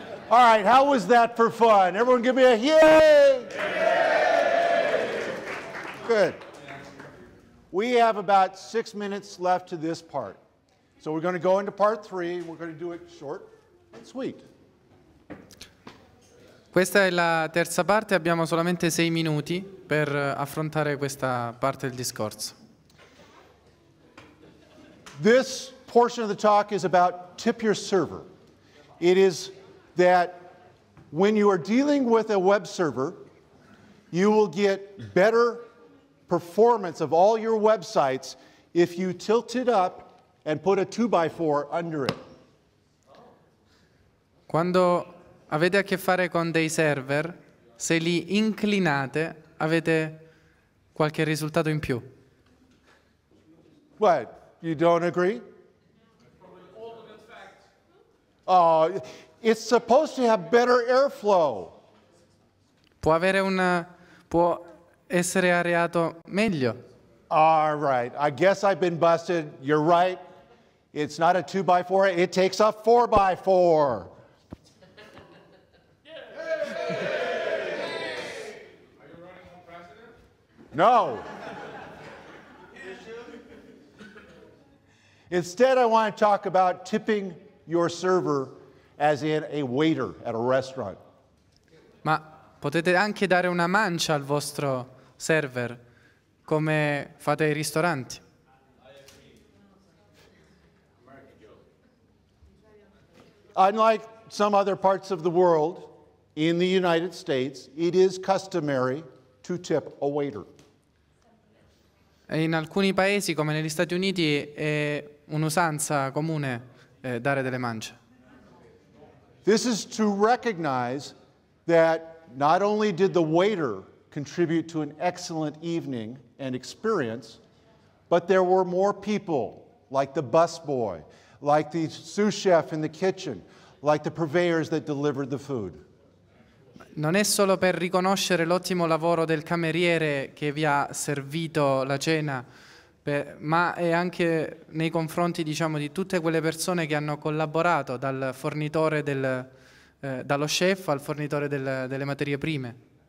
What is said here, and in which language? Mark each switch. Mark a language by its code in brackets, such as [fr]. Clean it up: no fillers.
[en] All right, how was that for fun? Everyone give me a yay! Good. We have about 6 minutes left to this part. So we're going to go into part three. We're going to do it short and sweet. [it] Questa è la terza parte. Abbiamo solamente 6 minuti per affrontare questa parte del discorso. [en] This portion of the talk is about tip your server. It is that when you are dealing with a web server, you will get better performance of all your websites if you tilt it up and put a 2x4 under it. [it] Quando avete a che fare con dei server, se li inclinate, avete qualche risultato in più. [en] What? You don't agree? Probably all of it's facts. It's supposed to have better airflow. [it] Può avere una, può essere areato meglio. [en] All right, I guess I've been busted. You're right. It's not a 2x4. It takes a 4x4. Are you running for president? No. Instead, I want to talk about tipping your server as in a waiter at a restaurant. [it] Ma potete anche dare una mancia al vostro server come fate ai ristoranti. [en] Unlike some other parts of the world, in the United States, it is customary to tip a waiter. [it] In alcuni paesi, come negli Stati Uniti, è un'usanza comune dare delle mance. [en] This is to recognize that not only did the waiter contribute to an excellent evening and experience, but there were more people, like the busboy, like the sous chef in the kitchen, like the purveyors that delivered the food. [it] Non è solo per riconoscere l'ottimo lavoro del cameriere che vi ha servito la cena, ma è anche nei confronti, diciamo, di tutte quelle persone che hanno collaborato, dal fornitore del, dallo chef al fornitore delle materie prime.